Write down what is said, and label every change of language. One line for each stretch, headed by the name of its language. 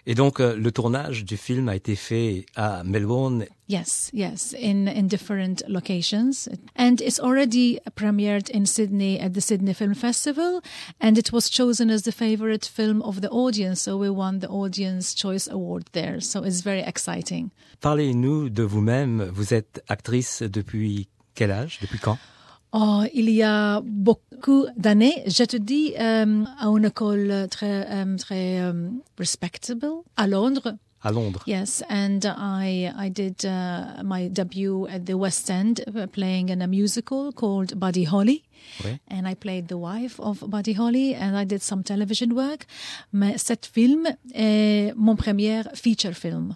French: Et donc le tournage du film a été fait à Melbourne.
English: Yes, in different locations. And it's already premiered in Sydney at the Sydney Film Festival. And it was chosen as the favorite film of the audience. So we won the Audience Choice Award there. So it's very exciting.
French: Parlez-nous de vous-même. Vous êtes actrice depuis quel âge? Depuis quand? Oh, il y a beaucoup d'années, je te dis, à une école très, très respectable, à Londres. À Londres.
English: Yes, and I did my debut at the West End playing in a musical called Buddy Holly.
French: Oui.
English: And I played the wife of Buddy Holly and I did some television work.
French: Mais cet film est mon premier feature film.